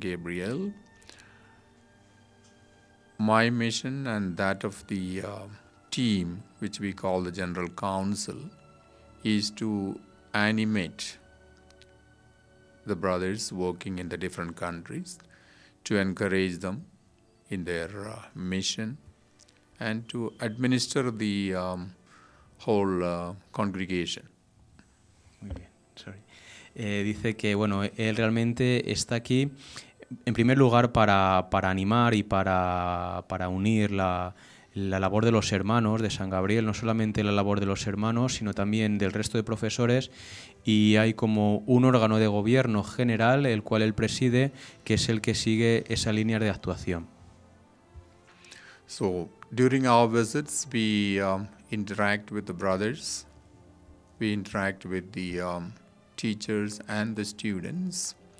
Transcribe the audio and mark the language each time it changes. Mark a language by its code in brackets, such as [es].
[en] Gabriel, my mission and that of the team, which we call the General Council, is to animate the brothers working in the different countries to encourage them in their mission and to administer the whole congregation. [es] Muy bien, sorry. Dice que, bueno, él realmente está aquí en primer lugar para animar y para unir la labor de los hermanos de San Gabriel, no solamente la labor de los hermanos, sino también del resto de profesores. Y hay como un órgano de gobierno general, el cual él preside, que es el que sigue esa línea de actuación. [en] So, during our visits, we interact with the brothers, we interact with the teachers and the students,